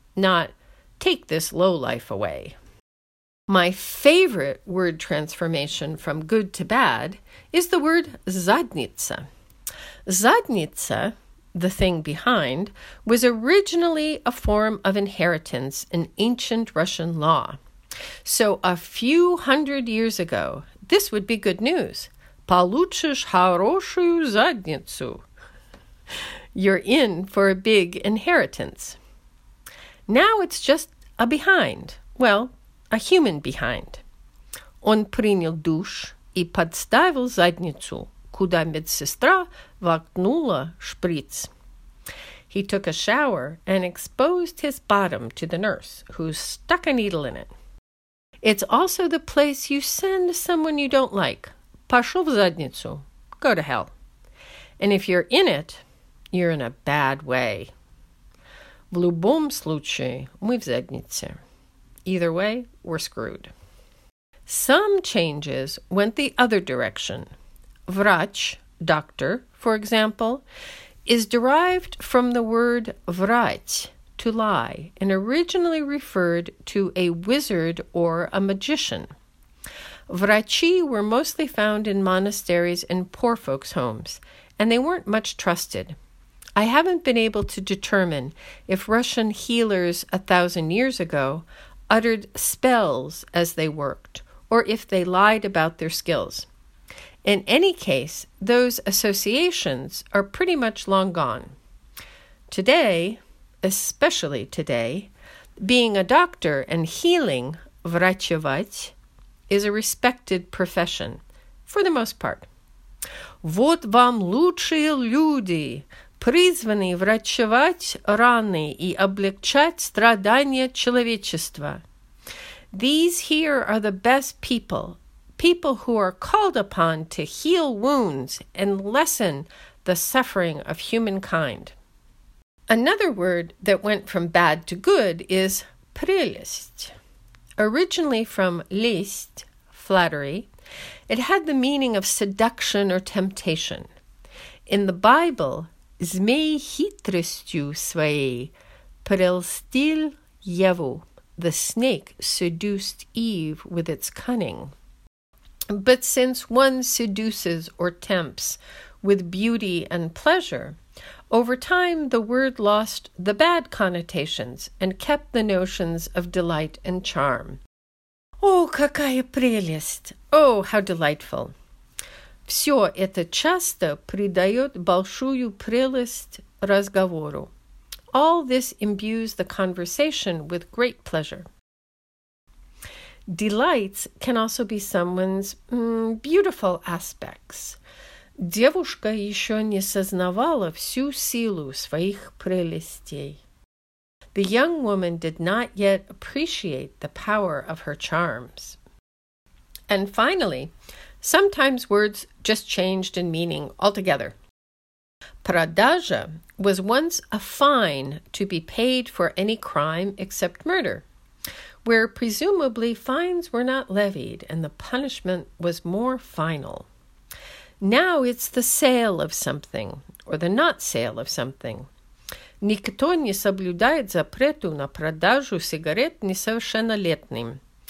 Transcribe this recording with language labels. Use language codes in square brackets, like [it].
[en] not take this low life away. My favorite word transformation from good to bad is the word zadnitsa. Zadnitsa, the thing behind, was originally a form of inheritance in ancient Russian law. So a few hundred years ago, this would be good news. [ru] Получишь хорошую задницу. [en] You're in for a big inheritance. Now it's just a behind. Well, a human behind. [ru] Он принял душ и подставил задницу, куда медсестра воткнула шприц. [en] He took a shower and exposed his bottom to the nurse, who stuck a needle in it. It's also the place you send someone you don't like. [ru] Пошел в задницу. [en] Go to hell. And if you're in it, you're in a bad way. [ru] В любом случае, мы в заднице. [en] Either way, we're screwed. Some changes went the other direction. Врач, doctor, for example, is derived from the word врать, to lie, and originally referred to a wizard or a magician. Врачи were mostly found in monasteries and poor folks' homes, and they weren't much trusted. I haven't been able to determine if Russian healers 1,000 years ago uttered spells as they worked, or if they lied about their skills. In any case, those associations are pretty much long gone. Today, especially today, being a doctor and healing, врачевать, is a respected profession, for the most part. [ru] Вот вам лучшие люди, призванные врачевать раны и облегчать страдания человечества. [en] These here are the best people, people who are called upon to heal wounds and lessen the suffering of humankind. Another word that went from bad to good is прелесть. Originally from лесть, flattery, it had the meaning of seduction or temptation. In the Bible, [ru] змей хитростью своей прельстил Еву. [en] The snake seduced Eve with its cunning. But since one seduces or tempts with beauty and pleasure, over time the word lost the bad connotations and kept the notions of delight and charm. Oh, [ru] какая прелесть! [en] Oh, how delightful! [ru] Все это часто придает большую прелесть разговору. [en] All this imbues the conversation with great pleasure. Delights can also be someone's beautiful aspects. [ru] Девушка еще не сознавала всю силу своих прелестей. [en] The young woman did not yet appreciate the power of her charms. And finally, sometimes words just changed in meaning altogether. Продажа was once a fine to be paid for any crime except murder, where presumably fines were not levied and the punishment was more final. Now it's the sale of something, or the not sale of something. [ru] Никто не соблюдает запрету на продажу сигарет несовершеннолетним.